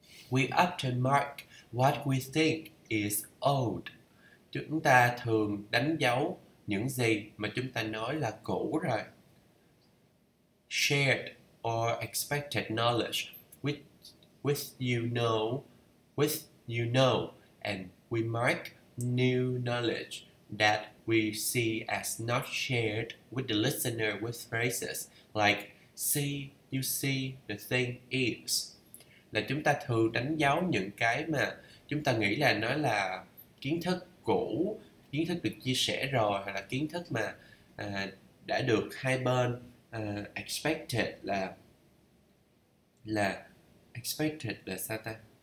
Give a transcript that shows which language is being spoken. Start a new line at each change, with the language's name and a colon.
English: We often mark what we think is old.
Vietnamese: Chúng ta thường đánh dấu những gì mà chúng ta nói là cũ rồi.
English: Shared or expected knowledge with you know and we mark new knowledge that we see as not shared with the listener with phrases like see, you see, the thing is.
Vietnamese: Là chúng ta thường đánh dấu những cái mà chúng ta nghĩ là nó là kiến thức cũ, kiến thức được chia sẻ rồi, hoặc là kiến thức mà đã được hai bên expected là expected là sao ta?